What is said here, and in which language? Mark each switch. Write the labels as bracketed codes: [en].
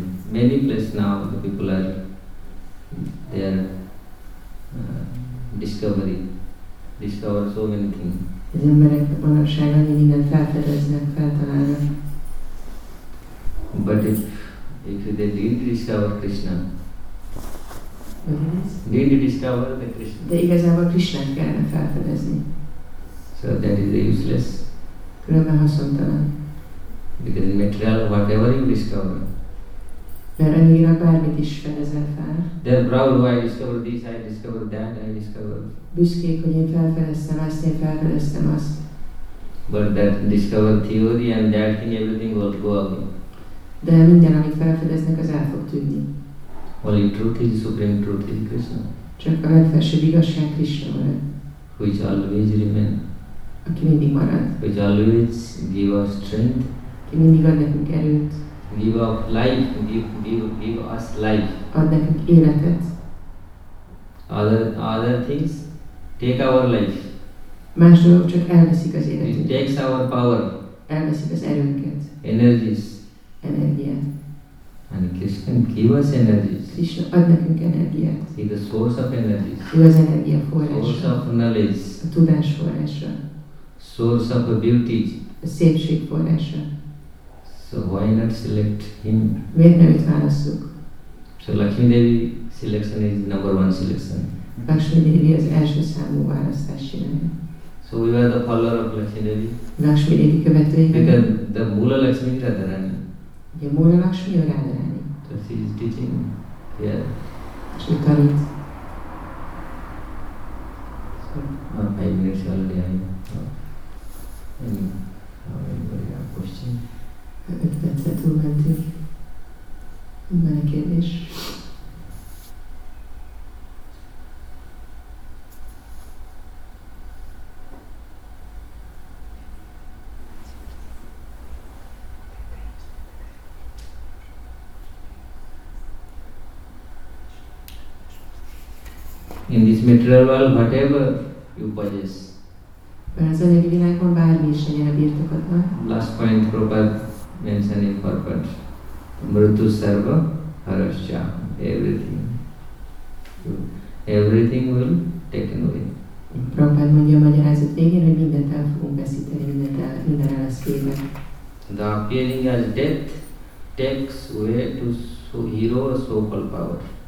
[en] Many places now the people are there. Discover so many things. [hu] Az emberek manapság annyi mindent felfedeznek, feltalálnak. [en] But if they didn't discover Krishna. Mm-hmm. Did you discover the Krishna? [hu] De igazából Krishnát kellene felfedezni. [en] So that is the useless. [hu] Különben haszontalan. [en] Because material, whatever you discover. [hu] Mert annyira bármit is fedezel fel. [en] They are proud, oh, I discover this, I discover that, I discover. [hu] Büszkék, hogy én felfedeztem ezt, én felfedeztem azt. [en] But that discover theory and that thing, everything will go away. [hu] De minden, amit felfedeznek, az el fog tűnni. [en] Only truth is, supreme truth is Krishna. [hu] Csak a legfelsőbb igazság Krishna marad. [en] Which always remain. [hu] Aki mindig marad. [en] Which always give us strength. [hu] Aki mindig ad nekünk erőt. [en] Give us life, give us life. [hu] Ad nekünk életet. [en] Other things take our life. [hu] Más dolgok csak elveszik az életet. [en] It takes our power. [hu] Elveszik az erőnket. [en] Energies. [hu] Energiát. [en] And Krishna give us energies. [hu] Krishna ad nekünk energiát. [en] He the source of energies. [hu] Ő az energia forrása. [en] Source of knowledge. [hu] A tudás forrása. [en] Source of a beauty. [hu] A szépség forrása. [en] So why not select him? [hu] Miért nem őt válasszuk? [en] So Lakshmi Devi selection is number one selection. [hu] Lakshmi Devi az első számú választási lenne. [en] So we were the follower of Lakshmi Devi. [hu] Lakshmi Devi követői. [en] Because the Mula Lakshmi is Radharani. [hu] Ugye Mula Lakshmi a Radharani. [en] So she is teaching here. Yeah. [hu] És ő tanít. [en] So, not 5 minutes already. Any question? [hu] 5 perce túlmentünk. Van egy kérdés? [en] In this material world, whatever you possess. [hu] Van az anyagi világban bármi is legyen a birtokodban. [en] Last point, Prabhupada mentioned in purport. [sa] Mṛtu sarva harasya, [en] everything. Everything will taken away. [hu] Prabhupada mondja a magyarázat végén, hogy mindent el fogunk veszíteni, mindent el, minden el lesz kéve. [en] The appearing as death takes away to so hero so-called power.